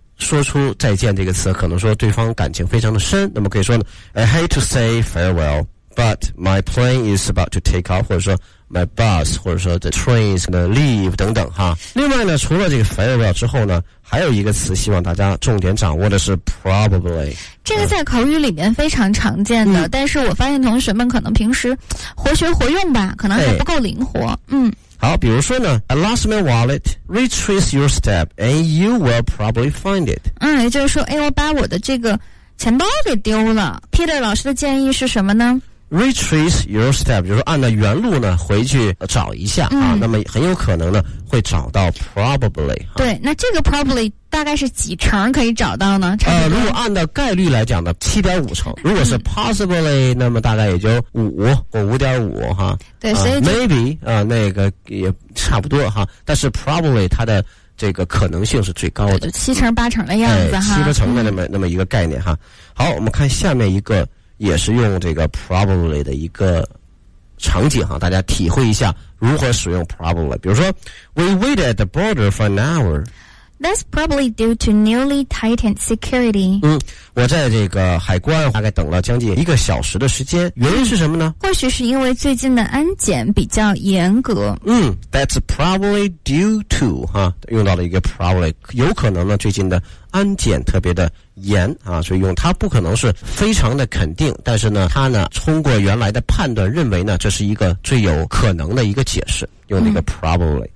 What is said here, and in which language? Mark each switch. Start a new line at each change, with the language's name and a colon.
Chinese: 说出再见这个词，可能说对方感情非常的深，那么可以说呢
English: I hate to say farewell but my plane is about to take off,
Chinese: 或者说
English: my bus,
Chinese: 或者说
English: the train is going to leave
Chinese: 等等哈。另外呢除了这个 farewell 之后呢还有一个词希望大家重点掌握的是 probably。这个在口语里面非常常见的、嗯、但是我发现同学们可能平时活学活用吧，可能还不够灵活、哎、嗯。好，比如说呢
English: ，I lost my wallet. Retrace your step, and you will probably find it.
Chinese: 嗯，也就是说，哎，我把我的这个钱包给丢了。 Peter 老师的建议是什么呢？
English: Retrace your step，
Chinese: 就是按照原路呢回去找一下、嗯、啊，那么很有可能呢会找到 probably、啊。对，那这个 probably 大概是几成可以找到呢？如果按照概率来讲呢 ，7.5 成。如果是 possibly，、嗯、那么大概也就5或5.5哈。对，所以 maybe 那个也差不多哈，但是 probably 它的这个可能性是最高的，七成八成的样子、哎、哈，七八成的那么一个概念哈。好，我们看下面一个也是用这个 probably 的一个场景哈，大家体会一下如何使用 probably? 比如说
English: We waited at the border for an hour. That's probably due to newly tightened security.
Chinese: 我在这个海关大概等了将近一个小时的时间。原因是什么呢？或许是因为最近的安检比较严格。
English: That's probably due to,
Chinese: 用到了一个 probably, 有可能呢最近的安检特别的严啊，所以用它不可能是非常的肯定，但是呢，它呢通过原来的判断认为呢，这是一个最有可能的一个解释，用那个 probably。